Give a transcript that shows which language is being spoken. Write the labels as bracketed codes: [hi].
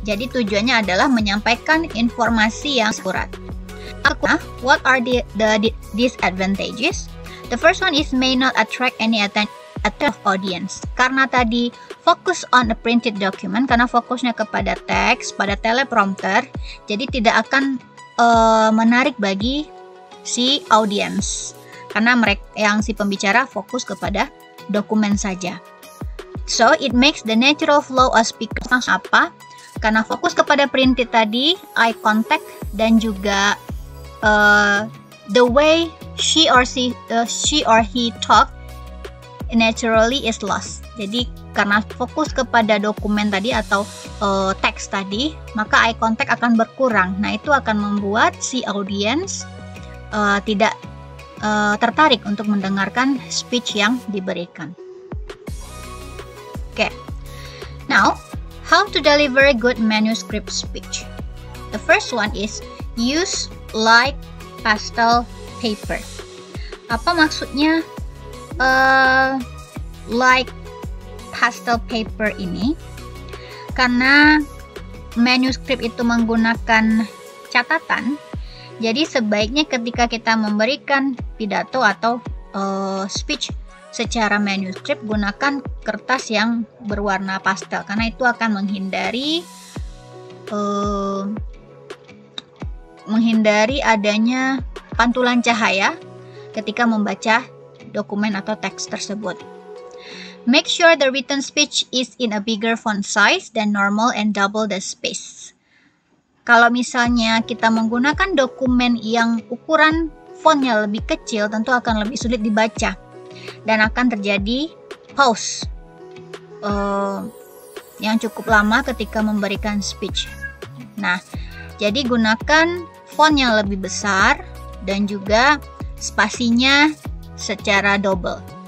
[id] Jadi tujuannya adalah menyampaikan informasi yang akurat. [en] Nah, what are the disadvantages? The first one is may not attract any attention of audience. [id] Karena tadi fokus [en] on a printed document, [id] karena fokusnya kepada teks, pada teleprompter, jadi tidak akan menarik bagi si audience. Karena si pembicara fokus kepada dokumen saja. [en] So, it makes the natural flow of speaker apa? [id] Karena fokus kepada printed tadi, eye contact, dan juga [en] the way she or he talk naturally is lost. [id] Jadi, karena fokus kepada dokumen tadi atau teks tadi, maka eye contact akan berkurang. Nah, itu akan membuat si audience tidak tertarik untuk mendengarkan speech yang diberikan. [en] Okay. Now, how to deliver a good manuscript speech? The first one is use light pastel paper. [id] Apa maksudnya light pastel paper ini? Karena manuscript itu menggunakan catatan, jadi sebaiknya ketika kita memberikan pidato atau speech secara manuskrip, gunakan kertas yang berwarna pastel, karena itu akan menghindari adanya pantulan cahaya ketika membaca dokumen atau teks tersebut. [en] Make sure the written speech is in a bigger font size than normal and double the space. [id] Kalau misalnya kita menggunakan dokumen yang ukuran fontnya lebih kecil, tentu akan lebih sulit dibaca dan akan terjadi pause yang cukup lama ketika memberikan speech. Nah, jadi gunakan font yang lebih besar dan juga spasinya secara double.